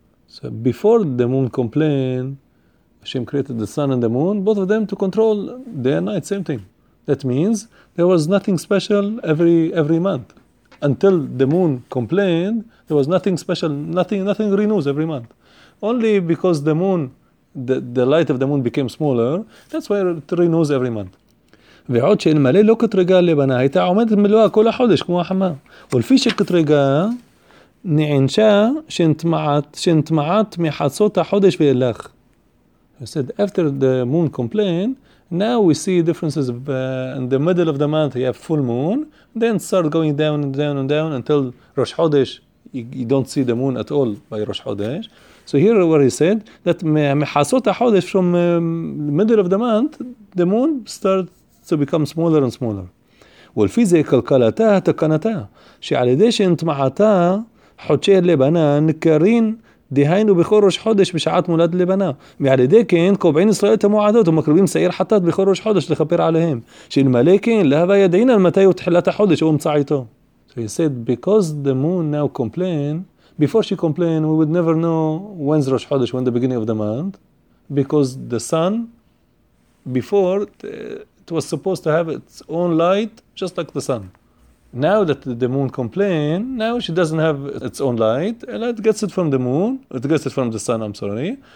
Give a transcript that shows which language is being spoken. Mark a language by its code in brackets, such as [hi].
[en] So before the moon complained, Hashem created the sun and the moon, both of them to control day and night, same thing. That means there was nothing special every month. Until the moon complained, there was nothing special, nothing renews every month. Only because the moon, the light of the moon became smaller, that's why it renews every month. [he] ועוד שאין מלא לא כתרגה לבנה, הייתה עומדת מלואה כל החודש כמו החמה. ולפי שכתרגה, נענשה שנתמעת מחצות החודש ואילך. [en] He said, after the moon complained, now we see differences in the middle of the month, you have full moon, then start going down and down and down until Rosh Chodesh, you don't see the moon at all by Rosh Chodesh. So here where he said that [he] מחצות החודש, [en] from the middle of the month, the moon starts so become smaller and smaller. [he] ולפי זה קלקלתה התקנתה, שעל ידי שנתמעתה חודשי לבנה נקרין דהיינו בכל ראש חודש בשעת מולד לבנה. ועל ידי כן קובעין ישראל את המועדות ומקריבים שעיר חטאת בכל ראש חודש לכפר עליהם. שאלמלא כן, להווה ידעין על מתי הוא תחילת החודש או אמצע איתו. [en] So he said, because the moon now complain, before she complained, we would never know when's ראש חודש, when the beginning of the month, because the sun, before, it was supposed to have its own light, just like the sun. Now that the moon complained, now she doesn't have its own light, and it gets it from the moon, it gets it from the sun, I'm sorry.